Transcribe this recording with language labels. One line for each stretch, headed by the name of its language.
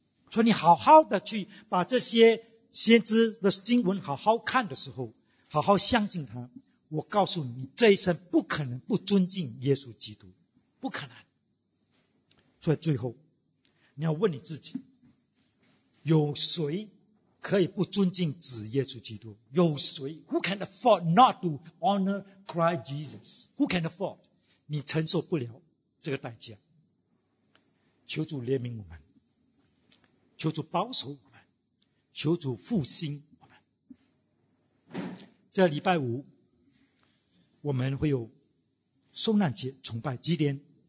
Chinese: 所以你好好的去把这些先知的经文好好看的时候，好好相信他，我告诉你，这一生不可能不尊敬耶稣基督，不可能。所以最后你要问你自己，有谁可以不尊敬子耶稣基督？
English: 有谁 Who can afford not to honor Christ Jesus?
Chinese: Who can afford? 你承受不了这个代价。求主怜悯我们，求主保守我们，求主复兴我们。这礼拜五我们会有受难节崇拜，几点？